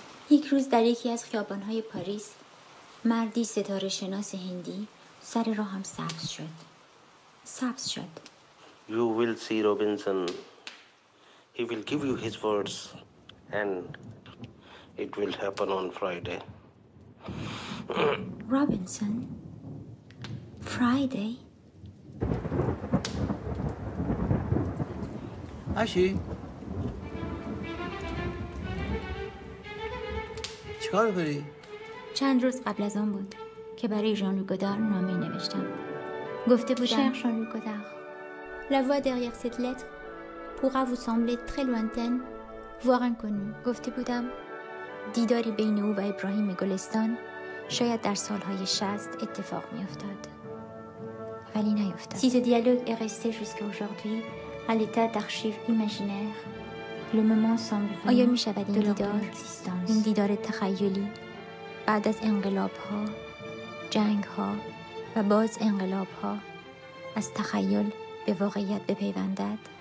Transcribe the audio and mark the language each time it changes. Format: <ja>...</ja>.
<fa>یک روز در یکی از خیابان‌های پاریس، مردی ستاره شناس هندی سر راه هم سبز شد.</fa> <en>You will see Robinson. He will give you his words and it will happen on Friday. Robinson? Friday?</en> <fa>آشی؟ چیکار می‌کنی؟ چند روز قبل از آن بود که برای ژان لوک گودار نامه نوشتم. گفته بودم ژان لوک گودار.</fa> <fr>La voix derrière cette lettre pourra vous sembler très lointaine, voire inconnue.</fr> <fa>گفته بودم دیداری بین او و ابراهیم گلستان شاید در سال‌های 60 اتفاق می‌افتاد. ولی نیفتاد.</fa> <fr>Si ce dialogue est resté jusqu'à aujourd'hui à l'état d'archive imaginaire. Le moment semble venu.</fr> <fa>آیا می شود این دیدار existence. این دیدار تخیلی بعد از انقلاب ها، جنگ ها و باز انقلاب ها از تخیل به واقعیت بپیوندد؟</fa>